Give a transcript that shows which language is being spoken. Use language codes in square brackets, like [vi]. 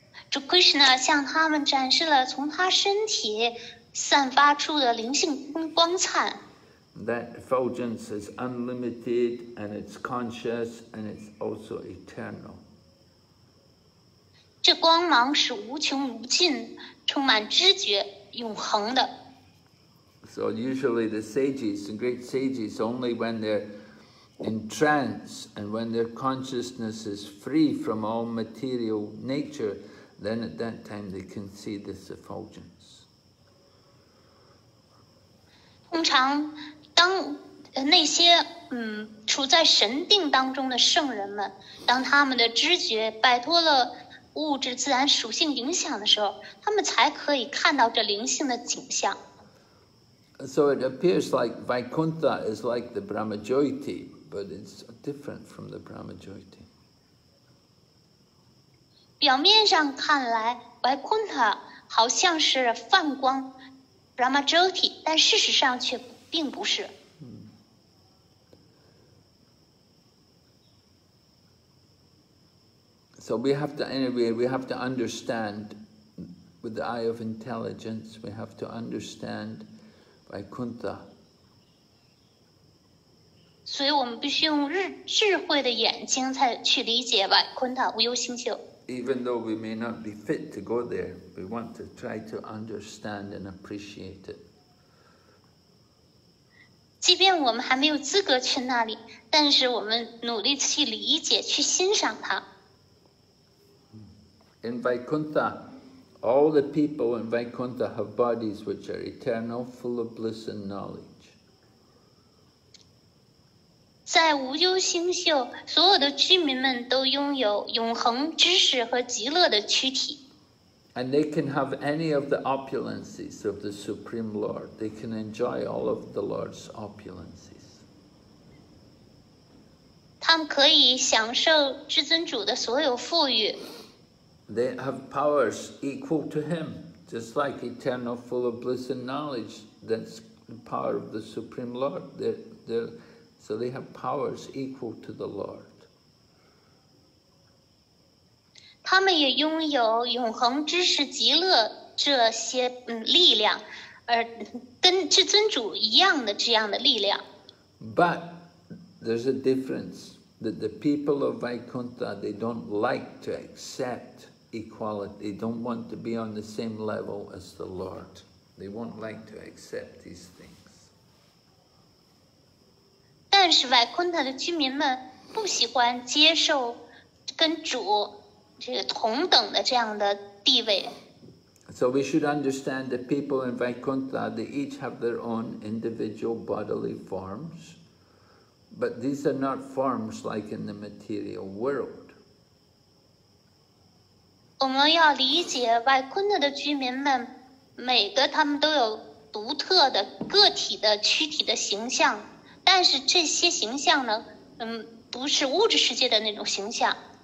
[zh] 主 Krishna 向他们展示了从他身体散发出的灵性光灿。 [en] That effulgence is unlimited and it's conscious and it's also eternal. [zh] 这光芒是无穷无尽，充满知觉，永恒的。 [en] So usually the sages, the great sages, only when they're in trance and when their consciousness is free from all material nature. Then at that time they can see this effulgence. [zh] 通常当那些处在神定当中的圣人们，当他们的知觉摆脱了物质自然属性影响的时候，他们才可以看到这灵性的景象。 [en] So it appears like Vaikuntha is like the Brahmajyoti, but it's different from the Brahmajyoti. [zh] 表面上看来 Vaikuntha 好像是梵光 Brahmajyoti， 但事实上却并不是。 [en] So we have to, anyway, we have to understand with the eye of intelligence, we have to understand Vaikuntha. [zh] 所以我们必须用智慧的眼睛才去理解 Vaikuntha 无忧星宿。 [en] Even though we may not be fit to go there, we want to try to understand and appreciate it. [zh] 即便我们还没有资格去那里，但是我们努力去理解，去欣赏它。 [en] In Vaikuntha, all the people in Vaikuntha have bodies which are eternal, full of bliss and knowledge. [zh] 在无忧星宿，所有的居民们都拥有永恒知识和极乐的躯体。 [en] And they can have any of the opulences of the Supreme Lord. They can enjoy all of the Lord's opulences. [zh] 他们可以享受至尊主的所有富裕。 [en] They have powers equal to him, just like eternal full of bliss and knowledge. That's the power of the Supreme Lord. They're So they have powers equal to the Lord. [zh] 他们也拥有永恒知识极乐这些力量，而跟至尊主一样的这样的力量。 [en] But there's a difference that the people of Vaikuntha, they don't like to accept equality. They don't want to be on the same level as the Lord. They won't like to accept these things. [zh] 但是 Vaikuntha 的居民们不喜欢接受跟主这个同等的这样的地位。 [en] So we should understand the people in Vaikuntha, they each have their own individual bodily forms, but these are not forms like in the material world. [zh] 我们要理解 Vaikuntha 的居民们，每个他们都有独特的个体的躯体的形象，但是这些形象呢，不是物质世界的那种形象。